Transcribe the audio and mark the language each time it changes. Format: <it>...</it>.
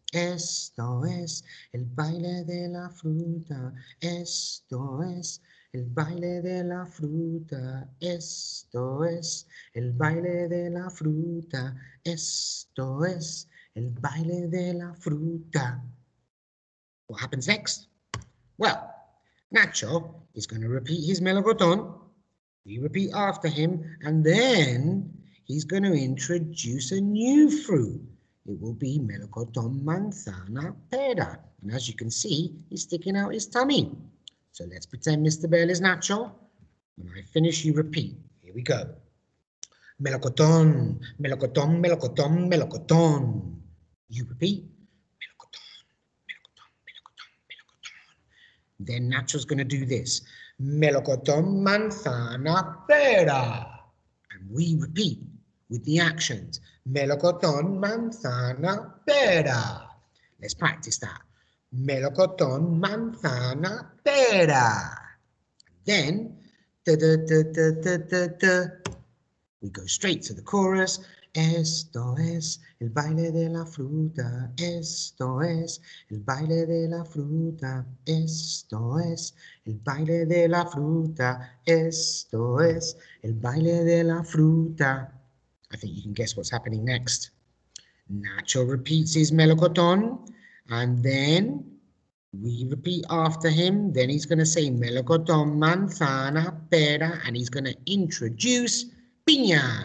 <es>Esto es el baile de la fruta. Esto es el baile de la fruta. Esto es el baile de la fruta. Esto es el baile de la fruta.</es> <en>What happens next? Well, Nacho is going to repeat his melocotón. We repeat after him, and then he's going to introduce a new fruit. It will be melocotón, manzana, pera. And as you can see, he's sticking out his tummy. So let's pretend Mr. Bell is natural. When I finish, you repeat. Here we go.</en> <es>Melocotón, melocotón, melocotón, melocotón.</es> <en>You repeat.</en> <es>Melocotón, melocotón, melocotón, melocotón.</es> <en>Then Nacho's going to do this.</en> <es>Melocotón, manzana, pera.</es> <en>And we repeat with the actions.</en> <es>Melocotón, manzana, pera.</es> <en>Let's practice that.</en> <es>Melocotón, manzana, pera.</es> <en>Then, da, da, da, da, da, da, da. We go straight to the chorus.</en> <es>Esto es el baile de la fruta. Esto es el baile de la fruta. Esto es el baile de la fruta. Esto es el baile de la fruta.</es> <en>I think you can guess what's happening next. Nacho repeats his melocotón, and then we repeat after him. Then he's going to say</en> <es>melocotón, manzana, pera,</es> <en>and he's going to introduce piña.</en>